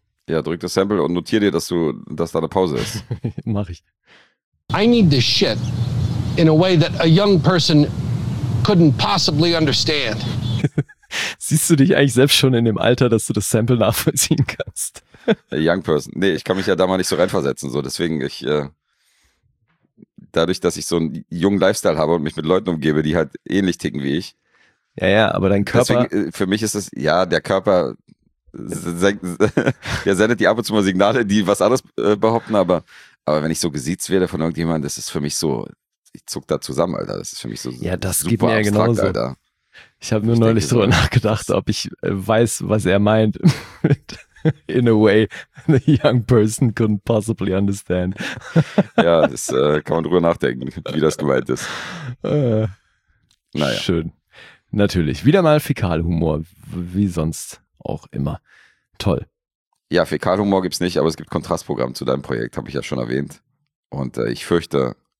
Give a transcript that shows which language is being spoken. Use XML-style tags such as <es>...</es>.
<de>Ja, drück das Sample und notier dir, dass da eine Pause ist. Mach ich.</de> <en>I need this shit in a way that a young person couldn't possibly understand.</en> <de>Siehst du dich eigentlich selbst schon in dem Alter, dass du das Sample nachvollziehen kannst?</de> <en>A young person.</en> <de>Nee, ich kann mich ja da mal nicht so reinversetzen. So. Deswegen, ich... Dadurch, dass ich so einen jungen Lifestyle habe und mich mit Leuten umgebe, die halt ähnlich ticken wie ich. Ja, ja, aber dein Körper. Deswegen, für mich ist es, ja, der Körper der sendet die ab und zu mal Signale, die was anderes behaupten, aber wenn ich so gesiezt werde von irgendjemandem, das ist für mich so, ich zuck da zusammen, Alter. Das ist für mich so. Ja, das super geht mir abstrakt, genauso. Alter. Ich habe nur neulich drüber nachgedacht, ob ich weiß, was er meint.</de> <en>In a way, a young person couldn't possibly understand.</en> <de>Ja, das kann man drüber nachdenken, wie das gemeint ist. Naja. Schön. Natürlich. Wieder mal Fäkalhumor, wie sonst auch immer. Toll. Ja, Fäkalhumor gibt es nicht, aber es gibt Kontrastprogramm zu deinem Projekt, habe ich ja schon erwähnt. Und ich fürchte,</de>